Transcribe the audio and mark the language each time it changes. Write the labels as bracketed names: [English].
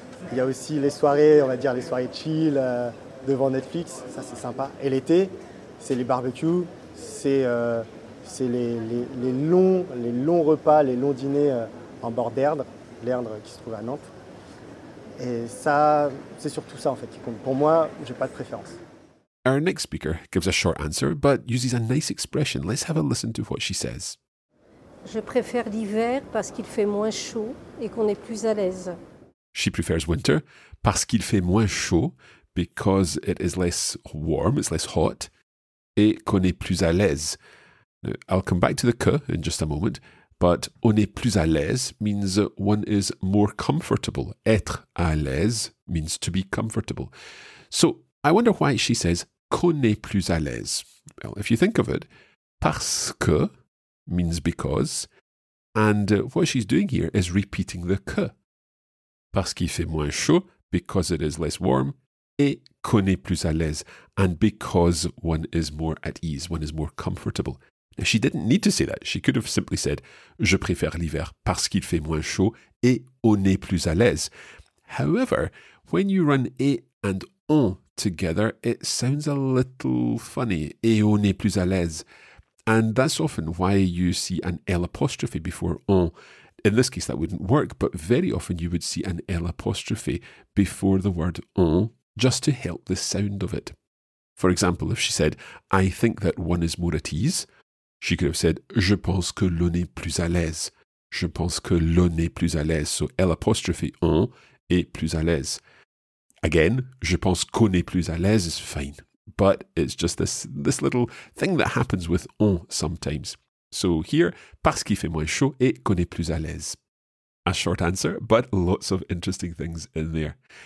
[French] Il y a aussi les soirées, on va dire, les soirées chill devant Netflix, ça, c'est sympa. Et l'été, c'est les barbecues, c'est les longs repas, les longs dîners en bord d'Erdre, l'Erdre qui se trouve à Nantes. Et ça, c'est surtout ça en fait qui compte. Pour moi, j'ai pas de préférence. [English] Our next speaker gives a short answer, but uses a nice expression. Let's have a listen to what she says. [French] Je préfère l'hiver parce qu'il fait moins chaud et qu'on est plus à l'aise. [English] She prefers winter [French] parce qu'il fait moins chaud, [English] because it is less warm, it's less hot, [French] et qu'on est plus à l'aise. [English] Now, I'll come back to the que in just a moment, but [French] on est plus à l'aise [English] means one is more comfortable. [French] Être à l'aise [English] means to be comfortable. So I wonder why she says [French] qu'on est plus à l'aise. [English] Well, if you think of it, parce que means because, and what she's doing here is repeating the que. Parce qu'il fait moins chaud, because it is less warm, et qu'on est plus à l'aise, and because one is more at ease, one is more comfortable. Now, she didn't need to say that. She could have simply said, [French] je préfère l'hiver parce qu'il fait moins chaud et on est plus à l'aise. [English] However, when you run et and on together, it sounds a little funny. [French] Et on est plus à l'aise. [English] And that's often why you see an L apostrophe before on. In this case, that wouldn't work, but very often you would see an L apostrophe before the word on just to help the sound of it. For example, if she said, I think that one is more at ease, she could have said, [French] je pense que l'on est plus à l'aise. Je pense que l'on est plus à l'aise. So, L apostrophe on est plus à l'aise. Again, je pense qu'on est plus à l'aise [English] is fine. But it's just this little thing that happens with on sometimes. So here, [French] parce qu'il fait moins chaud et qu'on est plus à l'aise. [English] A short answer, but lots of interesting things in there.